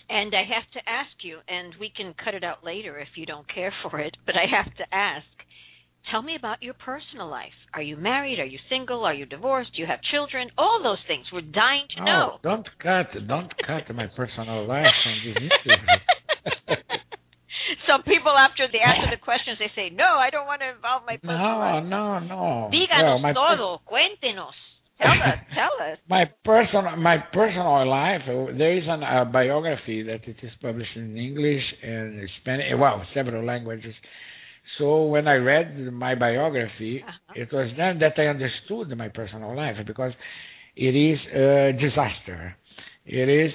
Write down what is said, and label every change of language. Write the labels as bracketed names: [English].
[English] And I have to ask you, and we can cut it out later if you don't care for it, but I have to ask, tell me about your personal life. Are you married? Are you single? Are you divorced? Do you have children? All those things. We're dying to know. Don't cut my personal life from this interview. Some people, after the questions, they say, no, I don't want to involve my personal life. No. [Spanish] Díganos todo, cuéntenos. [English] Tell us. My personal life, there is a biography that it is published in English and Spanish, well, several languages. So when I read my biography, It was then that I understood my personal life, because it is a disaster. It is.